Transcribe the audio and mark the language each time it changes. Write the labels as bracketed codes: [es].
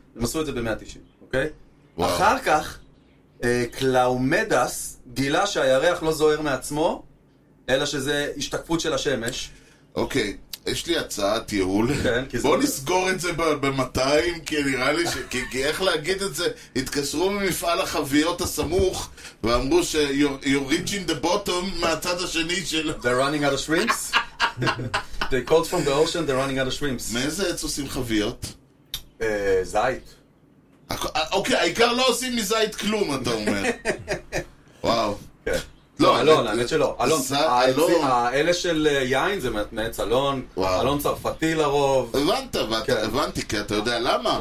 [he] הם עשו את זה ב-190, אוקיי? וואו. אחר כך, קלאומדס גילה שהירח לא זוהר מעצמו, אלא שזה השתקפות של השמש. אוקיי, יש לי הצעת ייעול. כן, בוא זה... נסגור את זה ב-200, כי נראה לי ש... כי איך להגיד את זה? התקשרו ממפעל החוויות הסמוך, ואמרו ש- [en] you're reaching the bottom [he] מהצד השני של... [en] They're running out of shrimps. They called from the ocean, they're running out of shrimps. [he] מאיזה עץ עושים חוויות? זית. אוקיי, העיקר לא עושים מזית כלום, אתה אומר. וואו. לא, אלון, האמת שלא. אלון, האלה של יין זה מעץ אלון. אלון צרפתי לרוב. הבנת, הבנתי, כי אתה יודע למה?